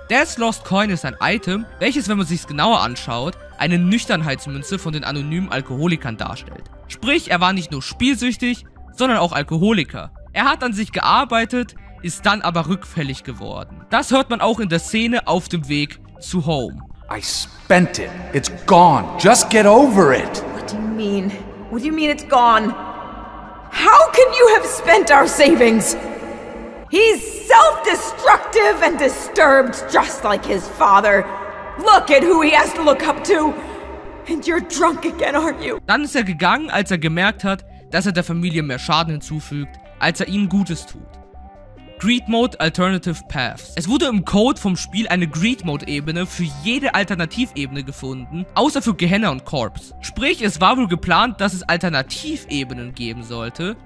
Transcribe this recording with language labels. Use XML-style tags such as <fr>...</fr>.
<de>Dad's Lost Coin ist ein Item, welches, wenn man sich's genauer anschaut, eine Nüchternheitsmünze von den anonymen Alkoholikern darstellt. Sprich, er war nicht nur spielsüchtig, sondern auch Alkoholiker. Er hat an sich gearbeitet, ist dann aber rückfällig geworden. Das hört man auch in der Szene auf dem Weg zu Home.</de> <en>I spent it. It's gone. Just get over it. What do you mean? What do you mean it's gone? How can you have spent our savings? He's self-destructive and disturbed just like his father. Look at who he has to look up to. And you're drunk again, aren't you?</en> <de>Dann ist er gegangen, als er gemerkt hat, dass er der Familie mehr Schaden hinzufügt, als er ihnen Gutes tut.</de> <en>Greed Mode Alternative Paths.</en> <de>Es wurde im Code vom Spiel eine Greed Mode Ebene für jede Alternativebene gefunden, außer für Gehenna und Corpse. Sprich, es war wohl geplant, dass es Alternativebenen geben sollte.</de>